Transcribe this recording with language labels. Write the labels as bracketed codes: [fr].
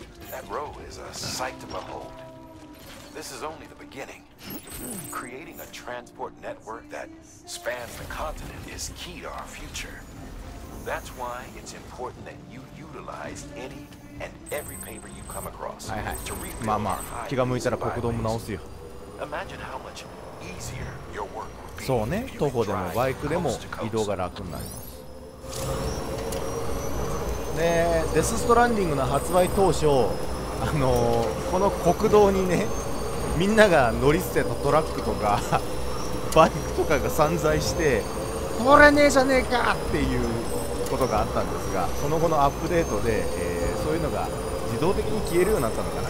[en] That row is a sight to behold. This is only the beginning. Creating a transport network that spans the continent is key to our future. That's why it's important that you utilize anyAnd every paper you come across. [ja] はいはい、まあまあ気が向いたら国道も直すよ。 [en] Imagine how much easier your work would be. [ja] そうね、徒歩でもバイクでも移動が楽になります。ね、デスストランディングの発売当初、この国道にね、みんなが乗り捨てたトラックとかバイクとかが散在して、通れねえじゃねえかっていうことがあったんですが、その後のアップデートで、そういうのが自動的に消えるようになったのかな。